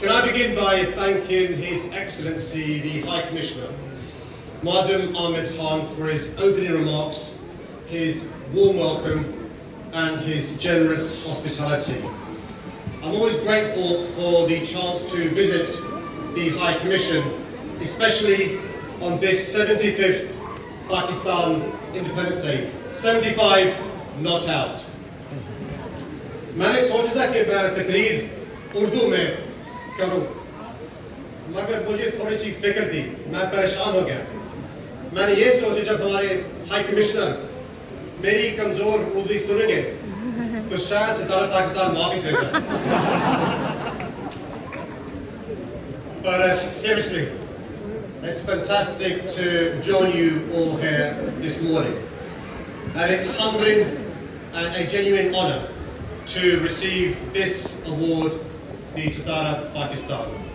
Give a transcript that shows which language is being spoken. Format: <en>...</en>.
<en>Can I begin by thanking His Excellency the High Commissioner, Muazzam Ahmed Khan, for his opening remarks, his warm welcome, and his generous hospitality. I'm always grateful for the chance to visit the High Commission, especially on this 75th Pakistan Independence Day. 75, not out.</en> <hi>मैंने सोचा था कि मैं तकरीर उर्दू में करूं, मगर मुझे थोड़ी सी फिक्र थी, मैं परेशान हो गया. मैंने ये सोचा जब हमारे हाई कमिश्नर मेरी कमजोर उर्दू सुनेंगे तो शायद सितारा पाकिस्तान माफी से जाए.</hi> <en>पर seriously, it's fantastic to join you all here this morning. And it's humbling and a genuine honor to receive this award, the Sitara Pakistan.</en>